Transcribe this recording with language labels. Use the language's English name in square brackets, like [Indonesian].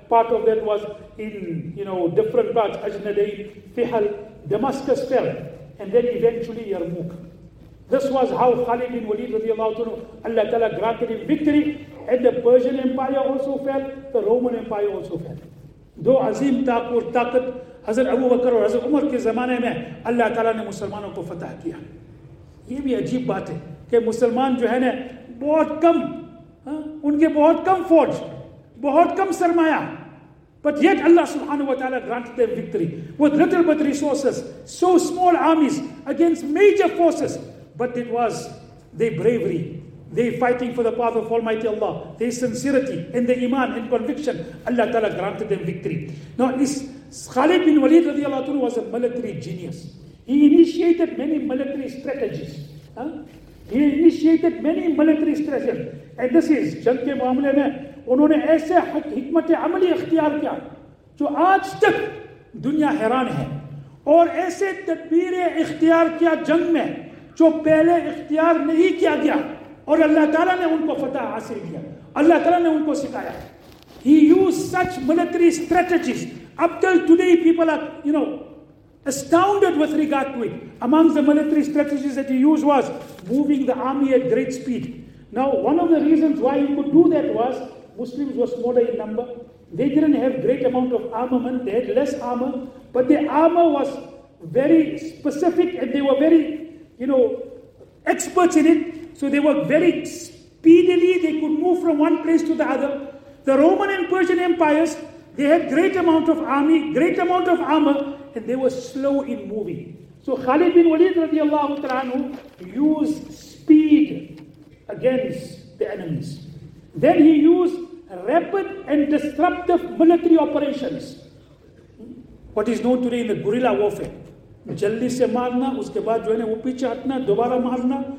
[English] Part of that was in, you know, different parts, Ajnadayn, Fihal, Damascus fell, and then eventually Yarmouk. This was how Khalid bin Walid رضی اللہ عنہ, Allah Ta'ala granted him victory, and the Persian Empire also fell, the Roman Empire also fell. [Urdu] دو عظیم طاقت حضرت ابو بکر اور حضرت عمر کے زمانے میں اللہ تعالیٰ نے مسلمانوں کو فتح کیا. یہ بھی عجیب بات ہے کہ مسلمان جو ہے نا بہت کم, ان کے بہت کم فوج, بہت کم سرمایہ, [English] but yet Allah subhanahu wa ta'ala granted them victory with little but resources, so small armies against major forces. But it was their bravery, they fighting for the path of Almighty Allah, their sincerity and the iman and conviction, Allah Ta'ala granted them victory. Now this Khalid bin Walid radiallahu anhu was a military genius. He initiated many military strategies. He initiated many military strategies. And this is, [Urdu] جنگ کے معاملے میں انہوں نے ایسے حکمت عملی اختیار کیا جو آج تک دنیا حیران ہے, اور ایسے تدبیر اختیار کیا جنگ میں جو پہلے اختیار نہیں کیا گیا, اور اللہ تعالیٰ نے ان کو فتح حاصل کیا, اللہ تعالیٰ نے ان کو سکھایا. [English] He used such military strategies. Up till today people are, you know, astounded with regard to it. Among the military strategies that he used was moving the army at great speed. Now one of the reasons why he could do that was Muslims were smaller in number. They didn't have great amount of armament. They had less armor, but their armor was very specific, and they were very, you know, experts in it. So they were very speedily, they could move from one place to the other. The Roman and Persian empires, they had great amount of army, great amount of armor, and they were slow in moving. So Khalid bin Walid radiallahu ta'ala anhu used speed against the enemies. Then he used rapid and disruptive military operations, what is known today in the guerrilla warfare. [Urdu] جلدی سے مارنا, اس کے بعد جو ہے نا وہ پیچھے ہٹنا, دوبارہ مارنا.